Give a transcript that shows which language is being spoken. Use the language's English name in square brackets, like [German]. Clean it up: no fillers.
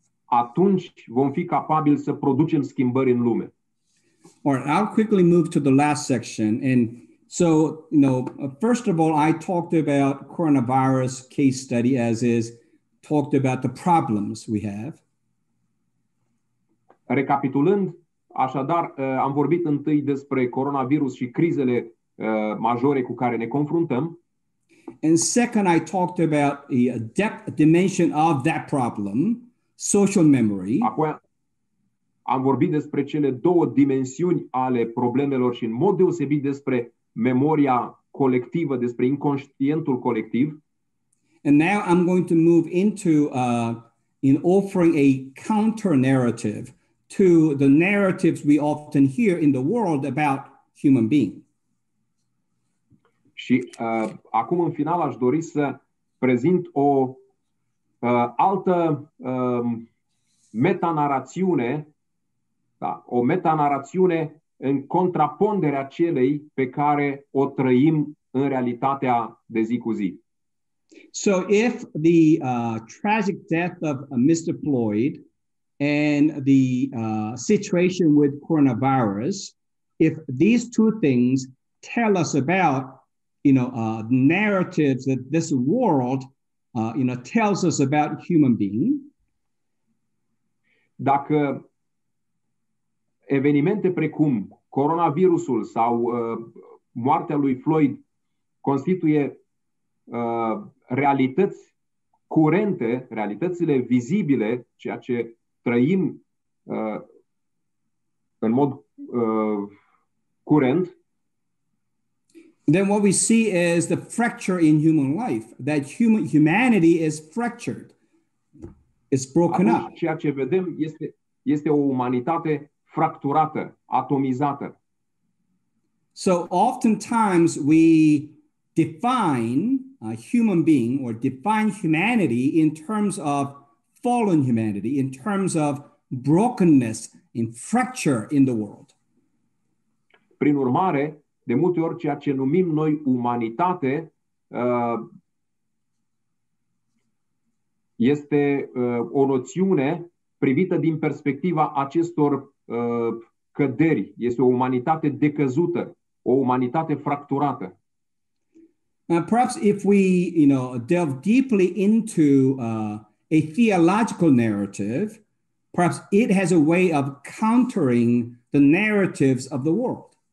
[Romanian] atunci vom fi capabili să producem schimbări în lume. [English] All right, I'll quickly move to the last section. And so, you know, first of all, I talked about coronavirus case study as is, talked about the problems we have. [Romanian] Recapitulând, așadar, am vorbit întâi despre coronavirus și crizele majore cu care ne confruntăm. [English] And second, I talked about the depth dimension of that problem, social memory. [Romanian] Apoi am vorbit despre cele două dimensiuni ale problemelor și în mod deosebit despre memoria colectivă, despre inconștientul colectiv. [English] And now I'm going to move into in offering a counter narrative to the narratives we often hear in the world about human beings. [Romanian] Și acum în final aș dori să prezint o altă metanarațiune, da, o metanarațiune în contraponderea celei pe care o trăim în realitatea de zi cu zi. [English] So if the tragic death of Mr. Floyd and the situation with coronavirus, if these two things tell us about, you know, narratives that this world, you know, tells us about human being. [Romanian] Dacă evenimente precum coronavirusul sau moartea lui Floyd constituie realități curente, realitățile vizibile, ceea ce trăim în mod curent, [English] then what we see is the fracture in human life, that humanity is fractured, it's broken up. [Romanian] Ceea ce vedem este o umanitate fracturată, atomizată. [English] So oftentimes we define a human being or define humanity in terms of fallen humanity, in terms of brokenness and fracture in the world. [Romanian] Prin urmare, de multe ori, ceea ce numim noi umanitate este o noțiune privită din perspectiva acestor căderi. Este o umanitate decăzută, o umanitate fracturată. [English] Perhaps if we, you know, delve deeply into a theological narrative, perhaps it has a way of countering the narratives of the world.